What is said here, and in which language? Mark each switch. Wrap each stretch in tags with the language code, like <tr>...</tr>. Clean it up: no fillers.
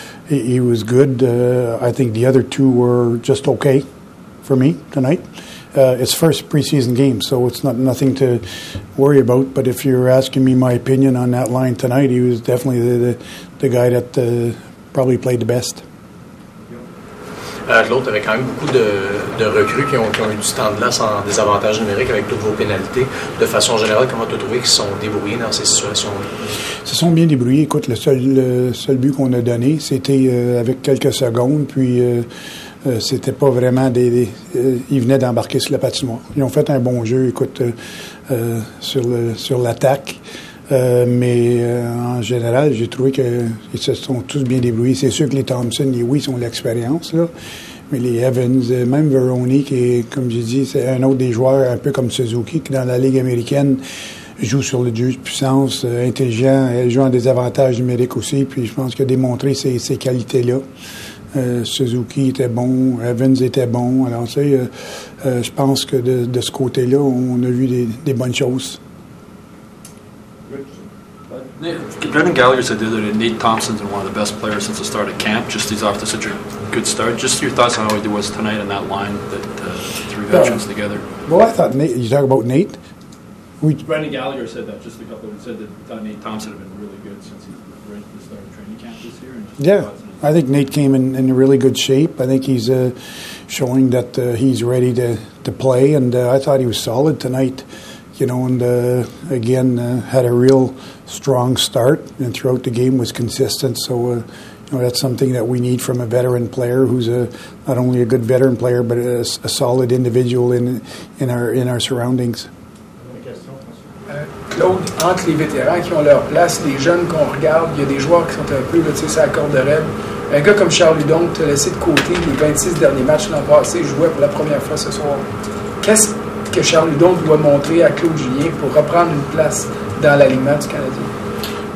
<en>I think the other two were just okay for me tonight. It's first preseason game, so it's nothing to worry about. But if you're asking me my opinion on that line tonight, he was definitely the guy that probably played the best.</en> <fr>L'autre, avec quand même beaucoup de recrues qui ont eu du temps de glace en désavantage numérique avec toutes vos pénalités. De façon générale, comment tu as trouvé qu'ils se sont débrouillés dans ces situations-là? Ils se sont bien débrouillés. Écoute, le seul but qu'on a donné, c'était avec quelques secondes, puis c'était pas vraiment ils venaient d'embarquer sur la patinoire. Ils ont fait un bon jeu, écoute, sur l'attaque. En général, j'ai trouvé qu'ils se sont tous bien débrouillés. C'est sûr que les Thompson, ils ont l'expérience, là. Mais les Evans, même Veroni, qui est, comme j'ai dit, c'est un autre des joueurs, un peu comme Suzuki, qui dans la Ligue américaine joue sur le jeu de puissance, intelligent, elle joue en désavantage numérique aussi. Puis je pense qu'il a démontré ces qualités-là. Suzuki était bon, Evans était bon. Alors, tu sais, je pense que de ce côté-là, on a vu des bonnes choses.</fr> <en>Brendan Gallagher said the other day that Nate Thompson's been one of the best players since the start of camp. Just he's off to such a good start. Just your thoughts on how he was tonight and that line that three veterans together. Well, I thought Nate. You talk about Nate. Brendan Gallagher said that just a couple of weeks ago. Thought Nate Thompson had been really good since he started training camp this year. And yeah. I think Nate came in really good shape. I think he's showing that he's ready to play, and I thought he was solid tonight. You know, and again, had a real strong start, and throughout the game was consistent. So, you know, that's something that we need from a veteran player who's not only a good veteran player, but a solid individual in our surroundings.</en> <fr>Claude, entre les vétérans qui ont leur place, les jeunes qu'on regarde, il y a des joueurs qui sont un peu, tu sais, sur la corde raide. Un gars comme Charles Hudon, tu as laissé de côté les 26 derniers matchs l'an passé, jouait pour la première fois ce soir. Qu'est-ce que Charles Hudon doit montrer à Claude Julien pour reprendre une place dans l'alignement du Canadien?</fr>